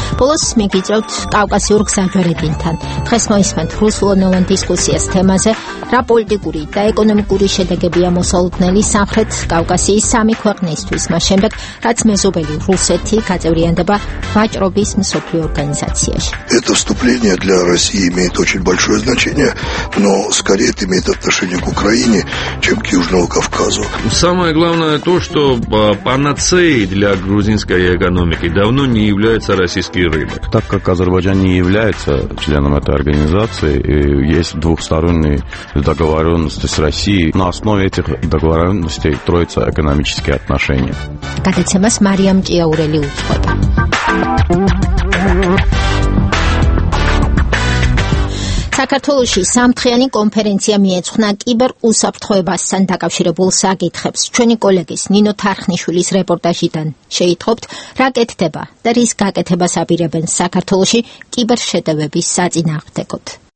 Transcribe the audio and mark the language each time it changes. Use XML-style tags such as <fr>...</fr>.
<ka>ბოლოს მიგიწევთ კავკასიურ გზაჯვარედინთან. დღეს მოისმენთ რუსულ-ნოვან დისკუსიას თემაზე, რა პოლიტიკური და ეკონომიკური შედეგებია მოსალოდნელი სამხრეთ კავკასიის სამი ქვეყნისთვის, მას შემდეგ, რაც მეზობელი რუსეთი გაწევრიანდება ვაჭრობის მსოფლიო ორგანიზაციაში.</ka> <ru>Это вступление для России имеет очень большое значение, но скорее это имеет отношение к Украине, чем к Южному Кавказу. Самое главное то, что панацеей для грузинской экономики давно не является российский рынок. Так как Азербайджан не является членом этой организации, и есть двухсторонние договоренности с Россией. На основе этих договоренностей строятся экономические отношения. Когда тема с Марием Киаурели уходит.</ru> <ka>საქართველოში სამთხიანი კონფერენცია მიეძღვნა კიბერ უსაფრთხოებასთან დაკავშირებულ საკითხებს. ჩვენი კოლეგის ნინო თარხნიშვილის რეპორტაჟიდან შეიტყობთ, რა კეთდება და რის გაკეთებას აპირებენ საქართველოში კიბერ შეტევების საწინააღმდეგოდ.</ka>